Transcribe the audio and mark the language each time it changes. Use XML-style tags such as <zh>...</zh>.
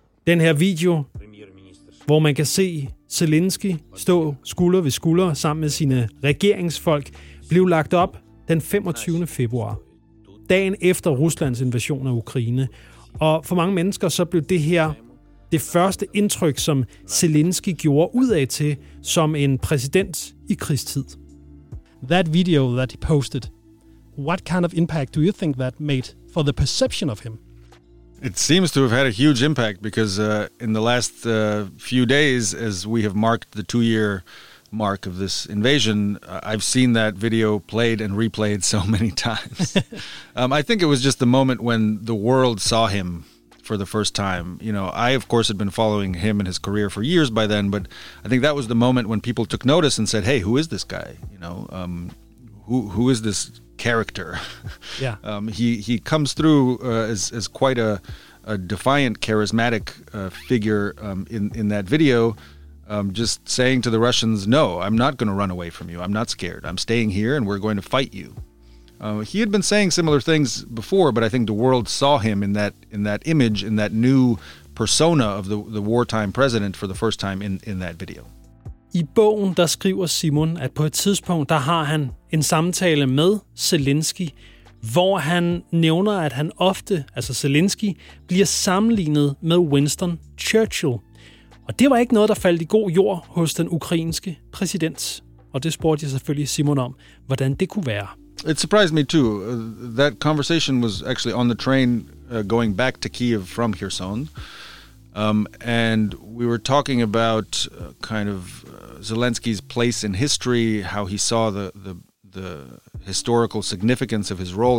<da>Den her video, hvor man kan se Zelensky stå skulder ved skulder sammen med sine regeringsfolk, blev lagt op den 25. februar. Dagen efter Ruslands invasion af Ukraine. Og for mange mennesker så blev det her det første indtryk, som Zelensky gjorde udad til som en præsident i krigstid.</da> <en>That video that he posted, what kind of impact do you think that made for the perception of him? It seems to have had a huge impact because in the last few days, as we have marked the 2-year mark of this invasion, I've seen that video played and replayed so many times. I think it was just the moment when the world saw him for the first time. You know, I, of course, had been following him and his career for years by then, but I think that was the moment when people took notice and said, hey, who is this guy? You know, who is this character? Yeah. He comes through as quite a defiant, charismatic figure in that video. Just saying to the Russians, no, I'm not going to run away from you. I'm not scared. I'm staying here and we're going to fight you. He had been saying similar things before, but I think the world saw him in that image, in that new persona of the wartime president for the first time in that video.</en> <da>I bogen der skriver Simon, at på et tidspunkt der har han en samtale med Zelensky, hvor han nævner, at han ofte, altså Zelensky, bliver sammenlignet med Winston Churchill. Og det var ikke noget, der faldt i god jord hos den ukrainske præsident. Og det spurgte jeg selvfølgelig Simon om, hvordan det kunne være.</da> <en>It surprised me too. That conversation was actually on the train going back to Kiev from Kherson. And we were talking about Zelensky's place in history, how he saw the historical significance of his role.</en>